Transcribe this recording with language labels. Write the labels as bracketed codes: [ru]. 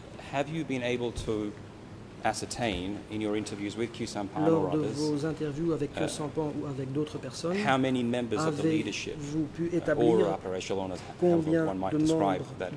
[en] Have you been able to ascertain in your interviews with Kyusampan or others, [fr] lors de vos interviews avec Kyusampan ou avec d'autres personnes, [en] how many members of the leadership or upper echelon, as one might describe that